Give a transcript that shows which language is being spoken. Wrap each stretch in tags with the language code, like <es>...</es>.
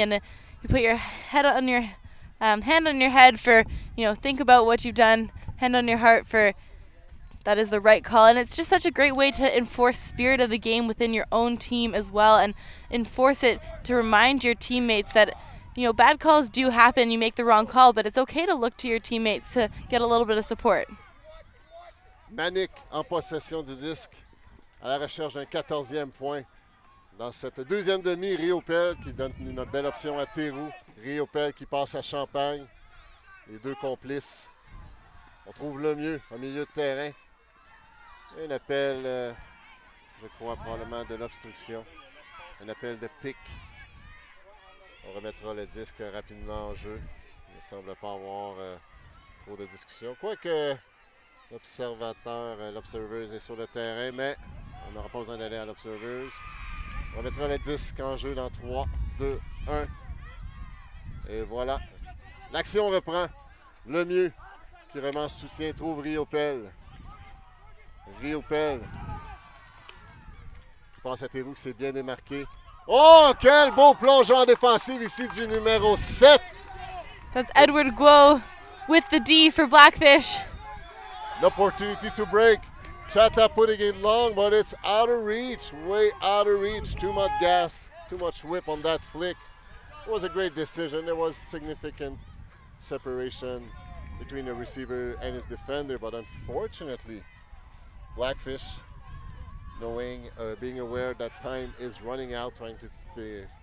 <en>And you put your head on your hand on your head for, you know, think about what you've done, hand on your heart for that is the right call. And it's just such a great way to enforce spirit of the game within your own team as well, and enforce it to remind your teammates that, you know, bad calls do happen. You make the wrong call, but it's okay to look to your teammates to get a little bit of support.</en> <fr>Manic en possession du disque à la recherche d'un 14e point. Dans cette deuxième demi, Riopelle qui donne une belle option à Thérou. Riopelle qui passe à Champagne. Les deux complices. On trouve le mieux au milieu de terrain. Et un appel, je crois, probablement de l'obstruction. Un appel de pique. On remettra le disque rapidement en jeu. Il ne semble pas avoir trop de discussion. Quoique l'observateur, l'observeuse est sur le terrain, mais on n'aura pas besoin d'aller à l'observeuse. On mettra les disques en jeu dans 3, 2, 1. Et voilà. L'action reprend. Le mieux qui vraiment soutient trouve Riopelle. Riopelle. Je pense à Thérou que c'est bien démarqué. Oh, quel beau plongeon défensif ici du numéro 7.</fr> <en>That's Edward Guo with the D for Blackfish.</en> <fr>L'opportunité</fr> <en>to break. Chata putting it long, but it's out of reach, way out of reach. Too much gas, too much whip on that flick. It was a great decision. There was significant separation between the receiver and his defender, but unfortunately, Blackfish, being aware that time is running out, trying to</en>